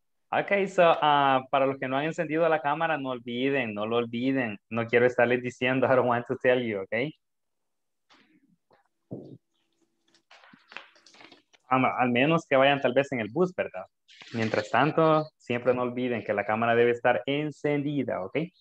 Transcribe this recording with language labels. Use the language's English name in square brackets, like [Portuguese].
[English] Okay, so [Spanish] para los que no han encendido la cámara, no lo olviden. No quiero estarles diciendo, [English] I don't want to tell you, okay? [Spanish] Al menos que vayan tal vez en el bus, ¿verdad? Mientras tanto, siempre no olviden que la cámara debe estar encendida, ¿ok?